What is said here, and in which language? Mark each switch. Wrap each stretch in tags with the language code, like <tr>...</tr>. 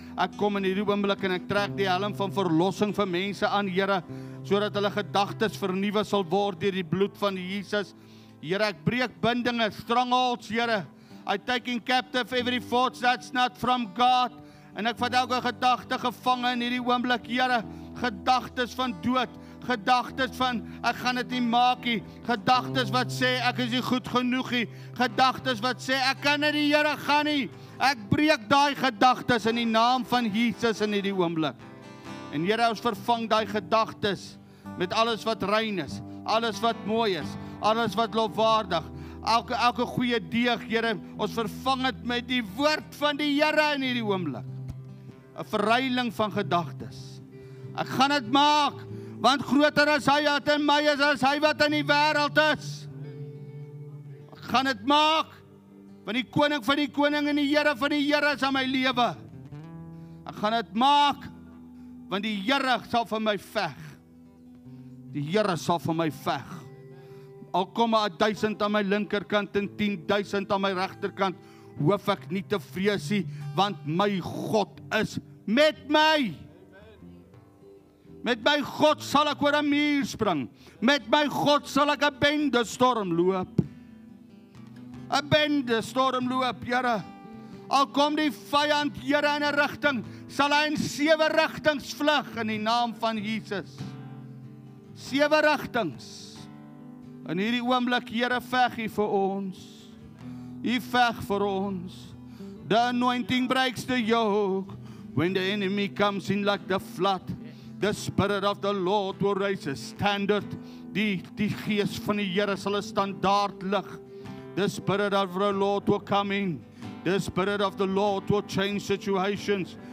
<af>Ek kom in hierdie oomblik en ek trek die helm van verlossing vir mense aan, Here, sodat hulle gedagtes vernuwe sal word deur die bloed van Jesus. Here, ek breek bindinge, strangholds, Here.</af> <en>I taking captive every thought that's not from God.</en> <af>En ek vat elke gedagte gevange in hierdie oomblik, Here, gedagtes van dood, gedagtes van ek gaan dit nie maak nie, gedagtes wat sê ek is nie goed genoeg nie, gedagtes wat sê ek kan nie die Here gaan nie. Ek breek daai gedagtes in die naam van Jesus in hierdie oomblik. En Here, ons vervang daai gedagtes met alles wat rein is, alles wat mooi is, alles wat lofwaardig, elke goeie deeg, Here, ons vervang dit met die woord van die Here in hierdie oomblik. 'N Verruiling van gedagtes. Ek gaan dit maak, want groter is hy wat in my is as hy wat in die wêreld is. Ek gaan dit maak. Want die koning van die koning en die Here van die Here is aan my lewe. Ek gaan dit maak, want die Here sal vir my veg. Die Here sal vir my veg. Al kom 1000 aan my linkerkant en 10000 aan my regterkant, hoef ek nie te vrees nie, want my God is met my. Met my God sal ek oor 'n muur spring. Met my God sal ek 'n bende storm loop. 'N Bende storm loop, Here. Al kom die vyand, Here, in 'n rigting, sal hy in 7 rigtings vlug in die naam van Jesus. 7 rigtings. In hierdie oomblik, Here, veg U vir ons. U veg vir ons.</af> <en>The anointing breaks the yoke when the enemy comes in like the flood. The spirit of the Lord will raise a standard.</en> <af>Die gees van die Here sal 'n standaard lig.</af> <en>The spirit of the Lord will come in. The spirit of the Lord will change situations.</en>